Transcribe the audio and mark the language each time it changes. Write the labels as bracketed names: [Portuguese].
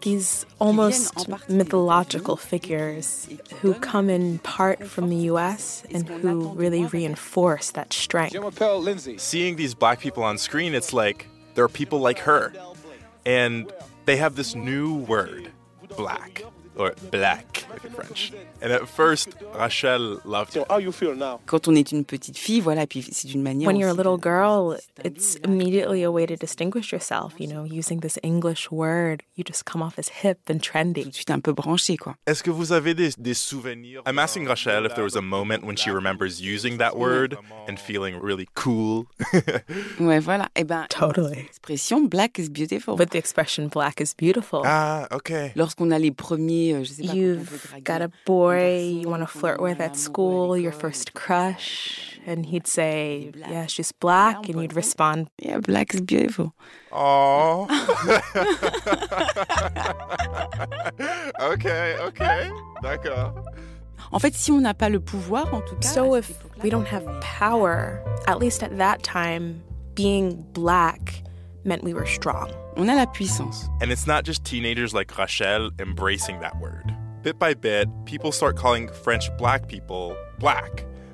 [English] These almost mythological figures who come in part from the U.S. and who really reinforce that strength. Seeing these black people on screen, it's like there are people like her. And they have this new word, black, or black if you're French. And at first, Rachel loved it. So how you feel now? [French] Quand on est une petite fille, voilà, puis c'est d'une manière. [English] When you're a little girl, it's immediately a way to distinguish yourself, you know, using this English word. You just come off as hip and trendy. [French] Tout de suite un peu branché, quoi. Est-ce que vous avez des souvenirs? [English] I'm asking Rachel if there was a moment when she remembers using that word and feeling really cool. [French] Ouais, voilà. Eh ben, [English] totally. L'expression black is beautiful. But the expression black is beautiful. Ah, okay. [French] Lorsqu'on a les premiers, je sais pas. [English] You've got a boy you want to flirt with at school, your first crush, and he'd say, yeah, she's black, and you'd respond, yeah, black is beautiful. Aww. [French] Okay, okay, d'accord. En fait, si on n'a pas le pouvoir, en tout cas... [English] So if we don't have power, at least at that time, being black meant we were strong. [French] On a la puissance. [English] And it's not just teenagers like Rachel embracing that word. Bit by bit, people start calling French black people black.